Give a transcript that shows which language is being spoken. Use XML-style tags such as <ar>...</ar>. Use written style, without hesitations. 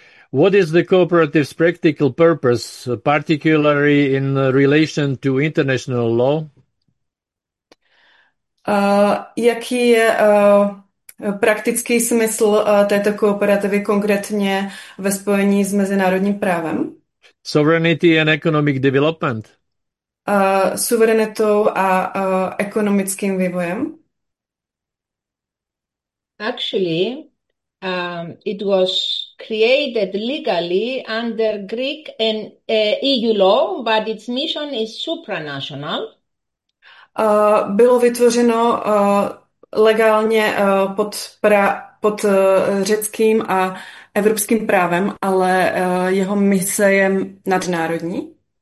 <en>What is the cooperative's practical purpose, particularly in relation to international law?</en> <cs>Jaký je praktický smysl této kooperativy konkrétně ve spojení s mezinárodním právem?</cs> <en>Sovereignty and economic development.</en> <cs>Suverenitou a ekonomickým vývojem.</cs> <en>Actually, it was created legally under Greek and EU law, but its mission is supranational.</en> <cs>Bylo vytvořeno legálně pod řeckým a evropským právem, ale jeho mise je nadnárodní.</cs>